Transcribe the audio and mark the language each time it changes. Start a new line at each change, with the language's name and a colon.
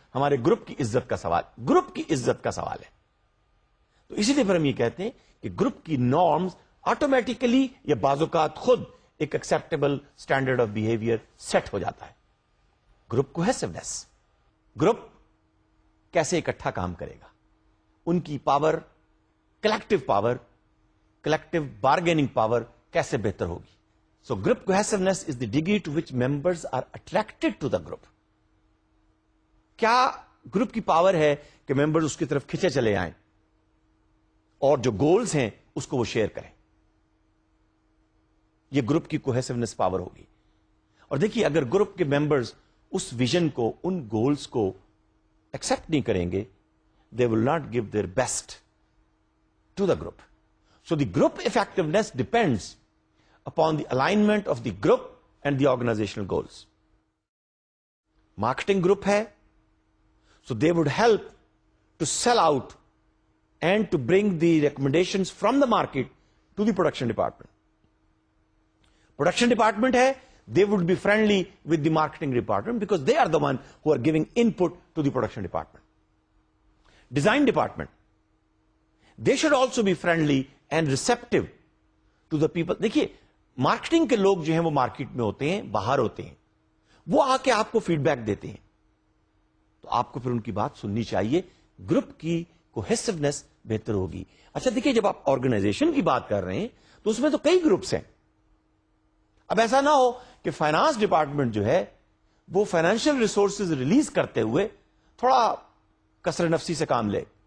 Urdu: ہمارے گروپ کی عزت کا سوال، گروپ کی عزت کا سوال ہے. تو اسی لیے پھر ہم یہ کہتے ہیں کہ گروپ کی نارمز آٹومیٹیکلی یا بعض اوقات خود ایک acceptable standard of behaviour set ہو جاتا ہے. گروپ کو ہے سیونس، گروپ کیسے اکٹھا کام کرے گا، ان کی power, collective power, collective bargaining power کیسے بہتر ہوگی.
English: So group cohesiveness is the degree to which members are attracted to the group.
Urdu: کیا گروپ کی پاور ہے کہ ممبرز اس کی طرف کھینچے چلے آئیں اور جو گولز ہیں اس کو وہ شیئر کریں. یہ گروپ کی کوہیسونیس پاور ہوگی. اور دیکھیے اگر گروپ کے ممبرز اس ویژن کو، ان گولز کو ایکسپٹ نہیں کریں گے،
English: They will not give their best to the group. So the group effectiveness depends upon the alignment of the group and the organizational goals. Marketing group hai, so they would help to sell out and to bring the recommendations from the market to the production department. Production department hai, they would be friendly with the marketing department because they are the one who are giving input to the production department. Design department, they should also be friendly and receptive to the people.
Urdu: Dekhiye, marketing ke log jo hain wo market mein hote hain, bahar hote hain. وہ آ کے آپ کو feed back دیتے ہیں, تو آپ کو پھر ان کی بات سننی چاہیے. گروپ کی کوہیسونیس بہتر ہوگی. اچھا دیکھیں, جب آپ آرگنائزیشن کی بات کر رہے ہیں تو اس میں تو کئی گروپس ہیں. اب ایسا نہ ہو کہ فائنانس ڈپارٹمنٹ جو ہے وہ فائنینشیل ریسورسز ریلیز کرتے ہوئے تھوڑا کسر نفسی سے کام لے.